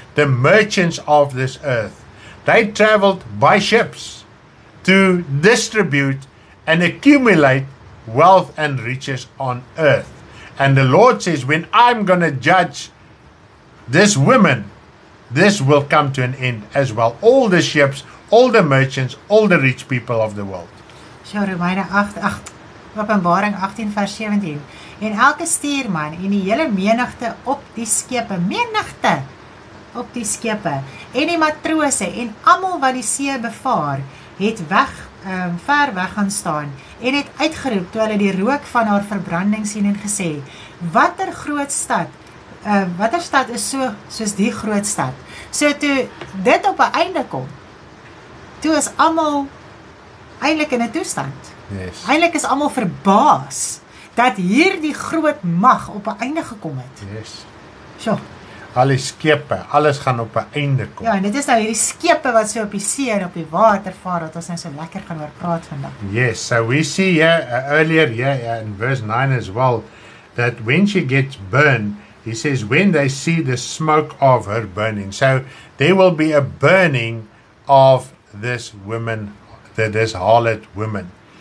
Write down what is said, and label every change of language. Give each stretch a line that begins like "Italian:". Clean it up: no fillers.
English: The merchants of this earth, they traveled by ships to distribute and accumulate wealth and riches on earth. And the Lord says, when I'm going to judge this woman, this will come to an end as well. All the ships, all the merchants, all the rich people of the world.
Afrikaans: So, Romeine 8, Openbaring 18, vers 17. En elke stuurman en die hele menigte op die skepe, menigte op die skepe, en die matrose en allemaal wat die see bevaar, het weg. Ver weg gaan staan en het uitgeroep toe hulle die rook van haar verbranding sien en gesê watter groot stad watter stad is so soos die groot stad. So toe dit op 'n einde kom, toe is almal eintlik in 'n toestand.
English: Yes.
Afrikaans: Eintlik is almal verbaas dat hierdie groot mag op 'n einde gekom het.
English: Yes.
Afrikaans: So alle skepe, alles gaan op 'n einde kom. Ja, en dit is nou hierdie skepe wat so op die see en op die water vaar, wat ons nou so lekker gaan oor praat vandag.
English: Yes, so we see here, earlier here in verse 9 as well, that when she gets burned, he says, when they see the smoke of her burning. So, there will be a burning of this woman, this harlot woman.